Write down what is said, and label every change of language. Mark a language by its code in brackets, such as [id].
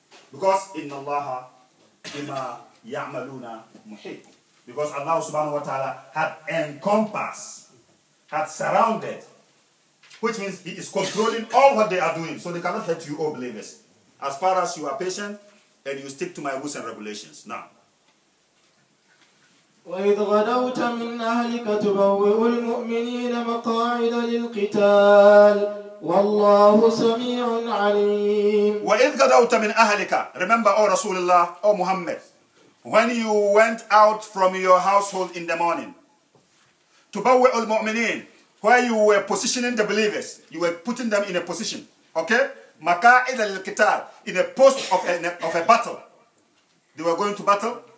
[en] Because [ar] إِنَّ اللَّهَ بِمَا يَعْمَلُونَ مُحِيطٌ. [en] Because Allah subhanahu wa ta'ala had encompassed, had surrounded, which means He is controlling all what they are doing. So they cannot hurt you, all believers, as far as you are patient and you stick to my rules and regulations. Now, [ar] وإذ غدوت من أهلك تبوئ المؤمنين مقاعد للقتال والله سميع عليم. وإذ غدوت من أهلك, [en] remember, O Rasulullah, O Muhammad, when you went out from your household in the morning, [ar] تبوئ المؤمنين, [en] where you were positioning the believers, you were putting them in a position, okay, [ar] مقاعد للقتال, [en] in a post of a battle, they were going to battle.